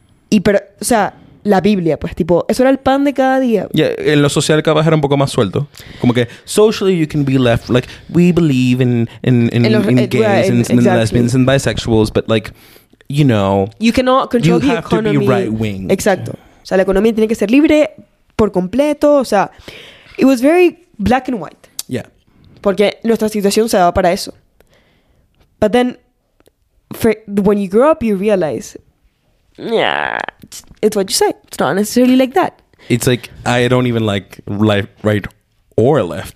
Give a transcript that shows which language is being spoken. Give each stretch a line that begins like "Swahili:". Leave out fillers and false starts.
Spanish: Y pero, o sea, la Biblia, pues, tipo, eso era el pan de cada día. Yeah, en lo social cada vez era un poco más suelto.
English: Como que, socially you can be left, like, we believe in gays, right, and exactly, lesbians and bisexuals, but like, you know, you cannot control the economy. You have to be right wing. Exacto.
Spanish: O sea, la economía tiene que ser libre por completo.
English: O sea, it was very black and white. Yeah.
Spanish: Porque nuestra situación se daba para eso.
English: But then, when you grow up, you realize, yeah, it's what you say. It's not necessarily like that. It's like, I don't even like right or left.